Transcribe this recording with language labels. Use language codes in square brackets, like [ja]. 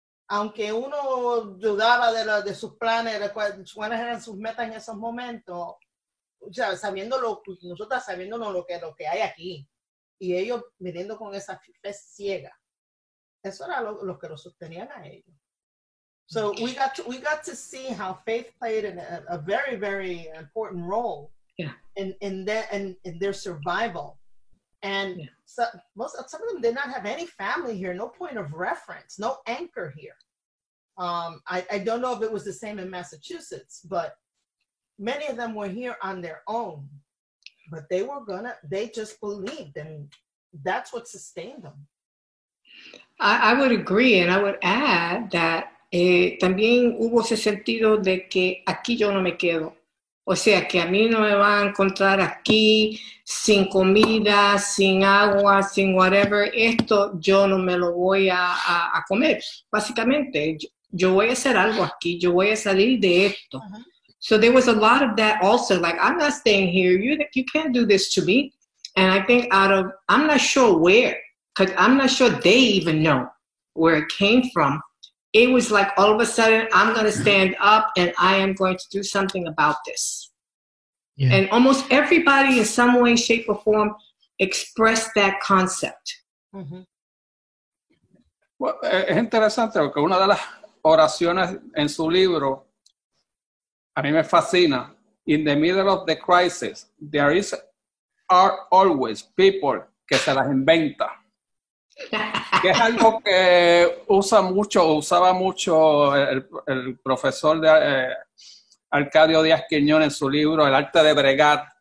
[es] Aunque uno dudaba de sus planes, de cuáles eran sus metas en esos momentos, sabiéndonos lo que hay aquí, y ellos viniendo con esa fe ciega. Eso era lo que lo sostenían a ellos. [en] So we got to see how faith played a very, very important role in their survival. And some of them did not have any family here, no point of reference, no anchor here. I don't know if it was the same in Massachusetts, but many of them were here on their own. But they just believed, and that's what sustained them. I would agree, and I would add that [es] también hubo ese sentido de que aquí yo no me quedo. O sea, que a mí no me van a encontrar aquí sin comida, sin agua, sin whatever. Esto yo no me lo voy a comer. Básicamente, yo voy a hacer algo aquí. Yo voy a salir de esto. Uh-huh. [en] So there was a lot of that also. Like, I'm not staying here. You can't do this to me. And I think I'm not sure where. Because I'm not sure they even know where it came from. It was like all of a sudden, I'm going to stand up and I am going to do something about this. Yeah. And almost everybody in some way, shape, or form expressed that concept. Mm-hmm. [es] Well, es interesante porque una de las oraciones en su libro, a mí me fascina. [en] In the middle of the crisis, there are always people [es] que se las inventa. Que es algo que usaba mucho el profesor de Arcadio Díaz Quiñón en su libro El Arte de Bregar.